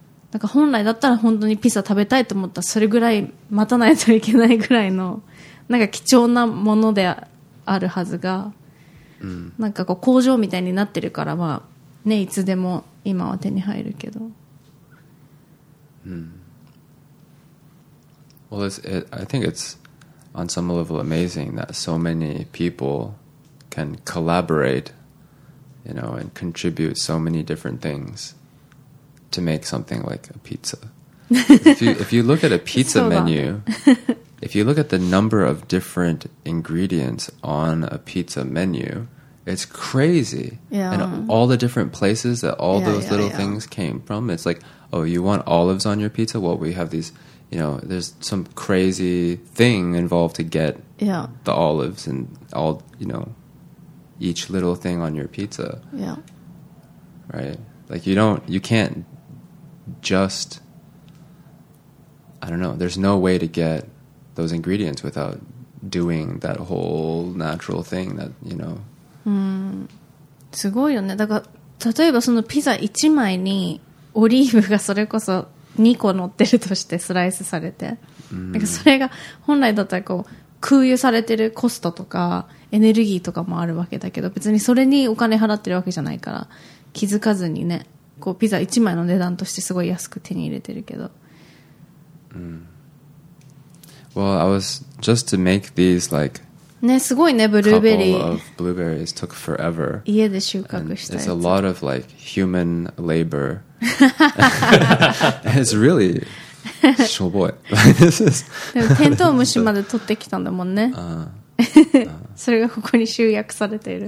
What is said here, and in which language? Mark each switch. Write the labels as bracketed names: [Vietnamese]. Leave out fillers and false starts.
[Japanese] なんか本来だったら本当にピザ食べたいと思ったらそれぐらい待たないといけないぐらいのなんか貴重なものであるはずが、うん、なんかこう工場みたいになってるからまあね、いつでも今は手に入るけど、 [English] うん、Well, it's, it, I think it's on some level amazing that so many people can collaborate, you know, and contribute so many different thingsTo make something like a pizza. If you look at a pizza menu, if you look at the number of different ingredients on a pizza menu, it's crazy. Yeah. And all the different places that all those little things came from, it's like, oh, you want olives on your pizza? Well, we have these, you know, there's some crazy thing involved to get yeah. the olives and all, you know, each little thing on your pizza. Yeah. Right? Like, you don't, you can't just, I don't know, there's no way to get those ingredients without doing that whole natural thing that, you know. [Japanese] すごいよね。だから、例えばそのピザ1枚にオリーブがそれこそ2個乗ってるとしてスライスされて、 mm. なんかそれが本来だったらこう空輸されてるコストとかエネルギーとかもあるわけだけど、別にそれにお金払ってるわけじゃないから気づかずにね、こうピザ1枚の値段としてすごい安く手に入れてるけど、 mm. [English] Well, I was just to make these like、 [Japanese] ね、すごいね、ブルーベリー [English] couple of blueberries took forever. [Japanese] 家で収穫したやつ。 [English] It's a lot of like human laborIt's really [Japanese] しょぼい。 [English] This is [Japanese] でもテントウムシまで取ってきたんだもんね。それがここに集約されている。